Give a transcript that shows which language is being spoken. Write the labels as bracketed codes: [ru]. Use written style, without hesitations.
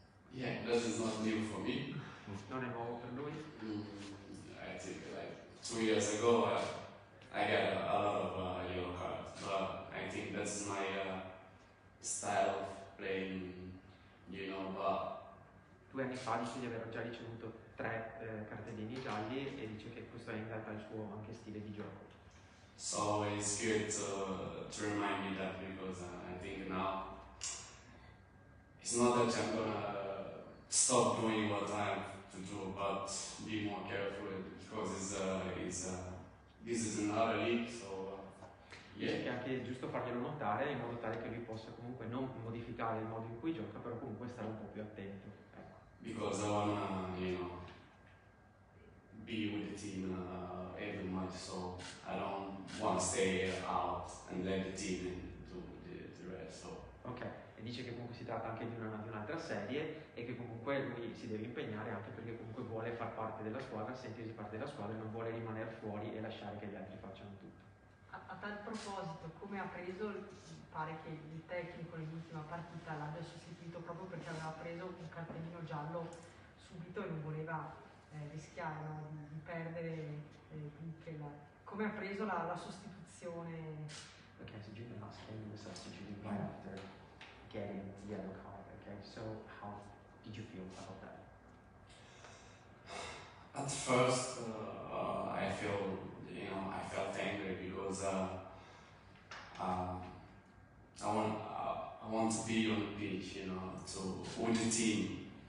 [en] Yeah, this is not new for me. [it] Non è nuovo per lui? [en] I think like 2 years ago I got a lot of yellow cards, but I think that's my style of playing, you know, but... [it] 2 anni fa dice di aver già ricevuto 3 cartellini gialli e dice che questo è in realtà il suo anche stile di gioco. [en] So it's good to remind me that because I think now it's not that I'm gonna stop doing what I have to do, but be more careful because this is another league, so yeah. [it] Che anche è giusto farglielo notare in modo tale che lui possa comunque non modificare il modo in cui gioca, però comunque stare un po' più attento. [en] Because I wanna, you know, be with the team every match, so I don't want to stay out and let the team do the rest. So. [it] Ok, e dice che comunque si tratta anche di un'altra serie e che comunque lui si deve impegnare anche perché comunque vuole far parte della squadra, sentirsi parte della squadra e non vuole rimanere fuori e lasciare che gli altri facciano tutto. A tal proposito, come ha preso, pare che il tecnico nell'ultima partita l'abbia sostituito proprio perché aveva preso un cartellino giallo subito e non voleva rischiare, no, di perdere come ha preso la sostituzione? [en] Okay, so Jimmy asked him the substitute right after getting the yellow card, okay? So how did you feel about that? At first I feel, you know, I felt angry because I want to be on the pitch, you know, to with the team.